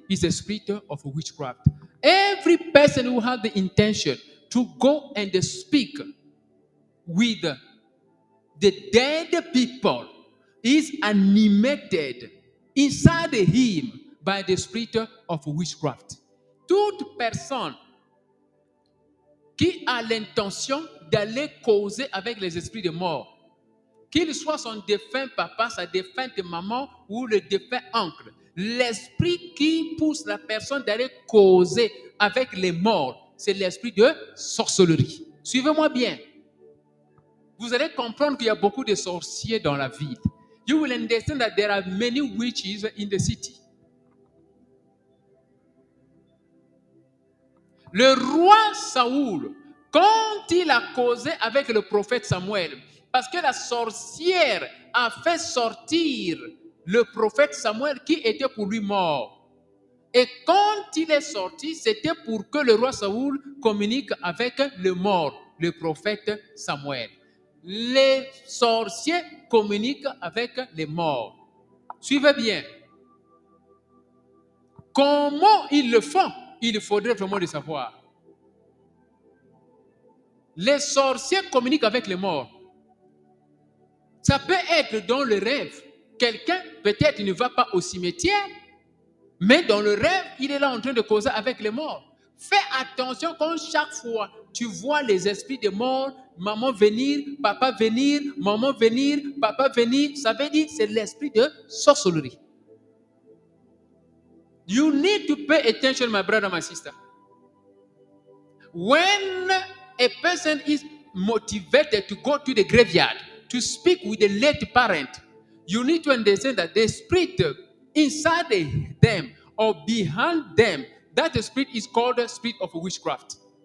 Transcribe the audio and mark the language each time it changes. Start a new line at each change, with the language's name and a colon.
English: It's a spirit of witchcraft. Every person who has the intention to go and speak with the dead people is animated inside him by the spirit of witchcraft.
French: Toute personne qui a l'intention d'aller causer avec les esprits de mort, qu'il soit son défunt papa, sa défunte maman ou le défunt oncle, l'esprit qui pousse la personne d'aller causer avec les morts, c'est l'esprit de sorcellerie. Suivez-moi bien. Vous allez comprendre qu'il y a beaucoup de sorciers dans la ville.
English: You will understand that there are many witches in the city.
French: Le roi Saoul, quand il a causé avec le prophète Samuel, parce que la sorcière a fait sortir le prophète Samuel qui était pour lui mort. Et quand il est sorti, c'était pour que le roi Saoul communique avec le mort, le prophète Samuel. Les sorciers communiquent avec les morts. Suivez bien. Comment ils le font? Il faudrait vraiment le savoir. Les sorciers communiquent avec les morts. Ça peut être dans le rêve. Quelqu'un, peut-être, ne va pas au cimetière, mais dans le rêve, il est là en train de causer avec les morts. Fais attention quand chaque fois tu vois les esprits des morts, maman venir, papa venir, maman venir, papa venir, ça veut dire c'est l'esprit de sorcellerie.
English: You need to pay attention, my brother, my sister. When a person is motivated to go to the graveyard to speak with the late parent, you need to understand that the spirit inside them or behind them, that spirit is called the spirit of witchcraft.